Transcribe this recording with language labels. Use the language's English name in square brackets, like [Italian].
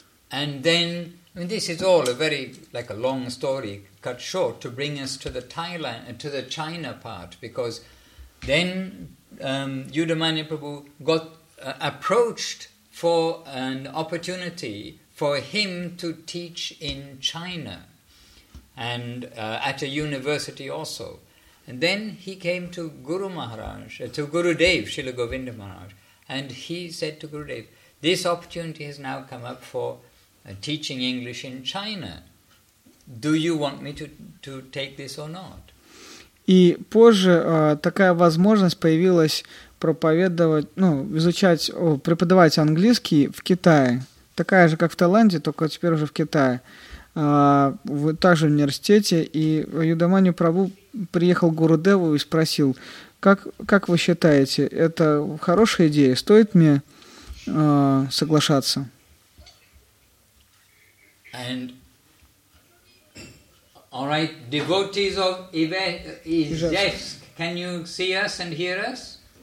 [English] And then, I mean, this is all a very like a long story cut short to bring us to the Thailand, to the China part, because then Yudhamanya Prabhu got approached for an opportunity for him to teach in China and at a university also. And then he came to Guru Maharaj, to Gurudev, Srila Govinda Maharaj, and he said to Gurudev, this opportunity has now come up for teaching English in China. Do you want me to take this or not? [Russian] И позже такая возможность появилась проповедовать, ну, изучать, преподавать английский в Китае, такая же, как в Таиланде, только теперь уже в Китае, также в университете, и Юдаманью Прабу приехал к Гурудеву и спросил, как вы считаете, это хорошая идея, стоит мне соглашаться? [English] And, all right, devotees of Ivesk, can you see us and hear us?